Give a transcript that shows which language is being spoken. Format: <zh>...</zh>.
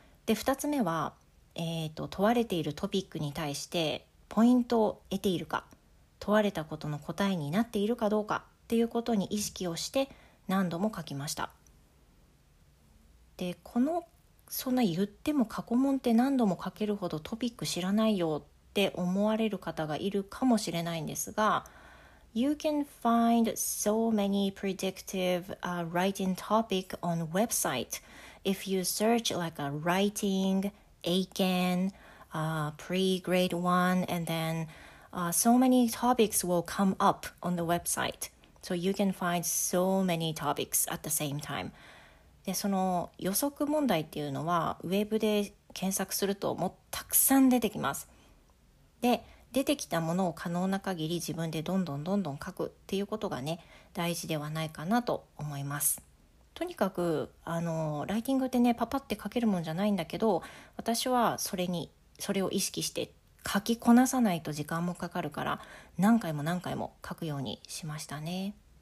<ja>で、2つ目は、問われているトピックに対してポイントを得ているか、問われたことの答えになっているかどうかっていうことに意識をして何度も書きました。で、このそんな言っても過去問って何度も書けるほどトピック知らないよって思われる方がいるかもしれないんですが、</ja> <en>You can find so many predictive writing topic on website. If you search like a writing, Aiken, pre-grade one, and then so many topics will come up on the website. So you can find so many topics at the same time.</en> <ja>で、その予測問題っていうのはウェブで検索するともうたくさん出てきます。で、出てきたものを可能な限り自分でどんどんどんどん書くっていうことがね、大事ではないかなと思います。とにかく、ライティングってね、パパって書けるもんじゃないんだけど、私はそれを意識して書きこなさないと時間もかかるから、何回も何回も書くようにしましたね。</ja>